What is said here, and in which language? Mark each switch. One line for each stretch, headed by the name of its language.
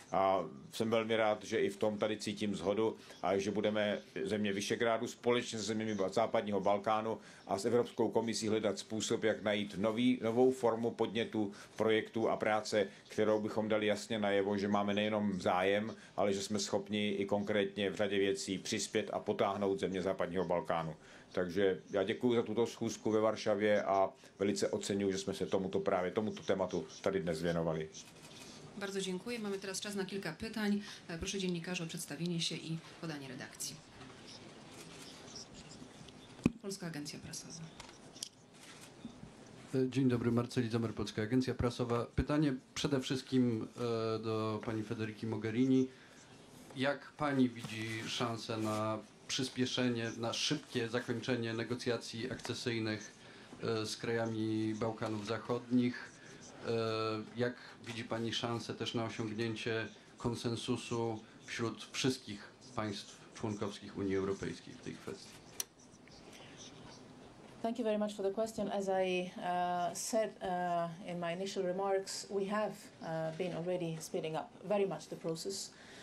Czech: A jsem velmi rád, že i v tom tady cítím shodu a že budeme země Vyšegrádu společně se zeměmi západního Balkánu a s Evropskou komisí hledat způsob, jak najít novou formu podnětu projektu a práce, kterou bychom dali jasně najevo, že máme nejenom zájem, ale že jsme schopni i konkrétně v řadě věcí přispět a potáhnout země západního Balkánu. Takže já děkuji za tuto schůzku ve Varšavě a velice oceňuji, že jsme se tomuto tématu tady dnes věnovali.
Polish: Bardzo dziękuję. Mamy teraz czas na kilka pytań. Proszę dziennikarza o przedstawienie się i podanie redakcji. Polska Agencja Prasowa. Dzień dobry, Marceli Zomer, Polska Agencja Prasowa. Pytanie przede wszystkim do pani Federiki Mogherini. Jak pani widzi szansę na przyspieszenie, na szybkie zakończenie negocjacji akcesyjnych z krajami Bałkanów Zachodnich? Jak widzi pani szansę też na osiągnięcie konsensusu wśród wszystkich państw członkowskich Unii Europejskiej w tej kwestii?
English: Thank you very much for the question. As I said in my initial remarks, we have been already speeding up very much the process.